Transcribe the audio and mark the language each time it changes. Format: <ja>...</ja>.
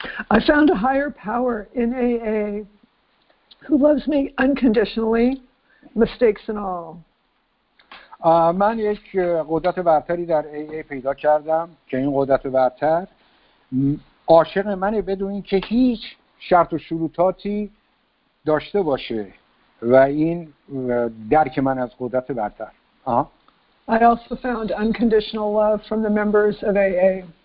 <en>I found a higher power in AA who loves me unconditionally, mistakes and all.</en> <fa>من یک قدرت برتری در AA پیدا کردم که این قدرت برتر عاشق منه بدون اینکه هیچ شرط و شروطاتی داشته باشه و این درک من از قدرت برتر.</fa> <en>I also found unconditional love from the members of AA.</en>